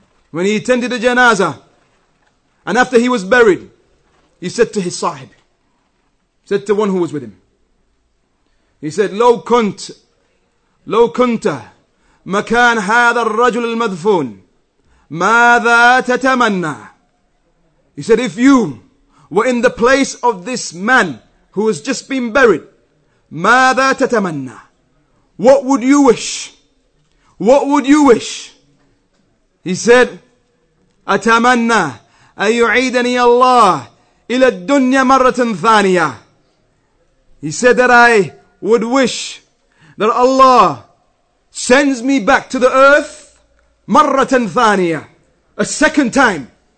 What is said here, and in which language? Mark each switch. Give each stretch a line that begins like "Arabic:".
English: When he attended the janazah, and after he was buried, he said to his sahib, said to one who was with him, he said,
Arabic: Lo kunta makan hadha ar-rajul al-madfun, madha tatamanna.
English: He said, if you were in the place of this man who has just been buried,
Arabic: ماذا تتمنى?
English: What would you wish? What would you wish? He said,
Arabic: أتمنى أن يعيدني الله إلى الدنيا مرة ثانية.
English: He said that I would wish that Allah sends me back to the earth
Arabic: مرة ثانية,
English: a second time.